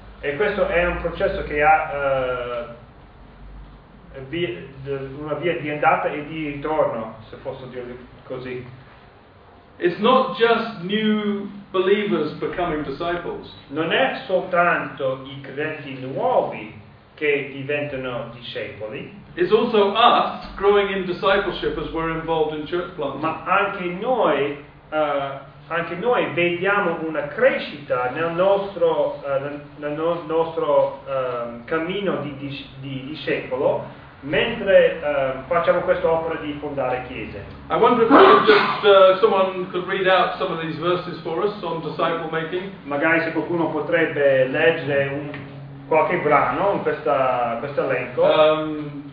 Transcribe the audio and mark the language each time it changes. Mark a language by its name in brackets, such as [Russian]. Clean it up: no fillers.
[Italian] E questo è un processo che ha una via di andata e di ritorno, se posso dire così. [English] It's not just new believers becoming disciples. [Italian] Non è soltanto i credenti nuovi che diventano discepoli. [English] It's also us growing in discipleship as we're involved in church planting. [Italian] Ma anche noi vediamo una crescita nel nostro cammino di discepolo mentre facciamo questa opera di fondare chiese. [English] I wonder if someone could read out some of these verses for us on disciple making. [Italian] Magari se qualcuno potrebbe leggere un qualche brano in questo elenco.